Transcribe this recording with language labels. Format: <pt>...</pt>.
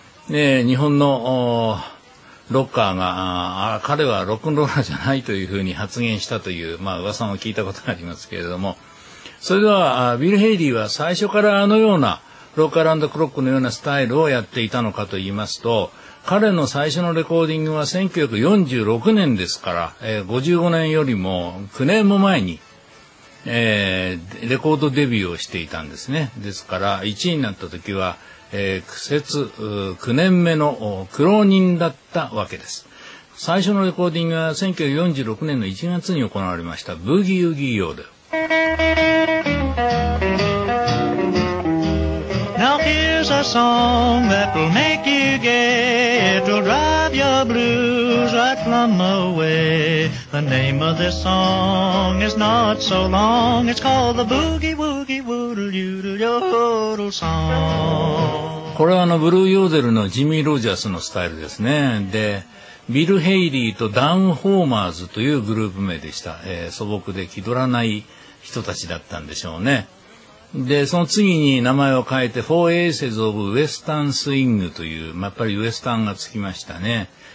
<ja>で日本のロッカーが彼はロックンローラーじゃないというふうに発言したという、まあ、噂を聞いたことがありますけれども、それではビル・ヘイリーは最初からあのようなロックアラウンドクロックのようなスタイルをやっていたのかといいますと、彼の最初のレコーディングは1946年ですから、55年よりも9年も前に、レコードデビューをしていたんですね。ですから1位になった時は、苦節9年目の苦労人だったわけです。最初のレコーディングは1946年の1月に行われましたブギウギ用で、</ja> <en>a song that will make you gay, it'll drive your blues right plumb away. The name of this song is not so long, it's called the Boogie Woogie Woodle Yoodle Yodle Song.</en> <ja>これはあのブルーヨーデルのジミー・ロジャースのスタイルですね。で、ビル・ヘイリーとダウン・ホーマーズというグループ名でした。素朴で気取らない人たちだったんでしょうね。でその次に名前を変えて Four Aces of Western Swing という、まあ、やっぱりウエスタンがつきましたね。</ja>